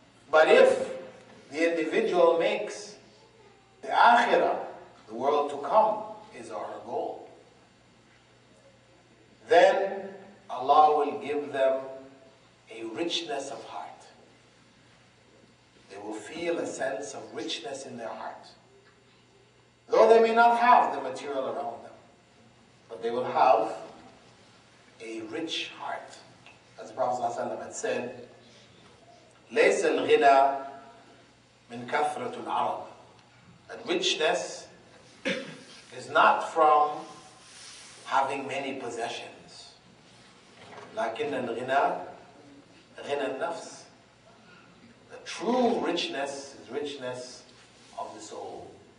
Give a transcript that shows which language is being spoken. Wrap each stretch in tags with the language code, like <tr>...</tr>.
<en>But if the individual makes the akhirah, the world to come, is our goal, then Allah will give them a richness of heart. They will feel a sense of richness in their heart. Though they may not have the material around them, but they will have a rich heart. As the Prophet ﷺ had said,</en> <ar>لَيْسَ الْغِنَى مِنْ كَثْرَةُ الْعَرَضِ.</ar> <en>That richness is not from having many possessions.</en> <ar>لَكِنَّ الْغِنَى غِنَى النَّفْسِ.</ar> <en>True richness is richness of the soul.</en>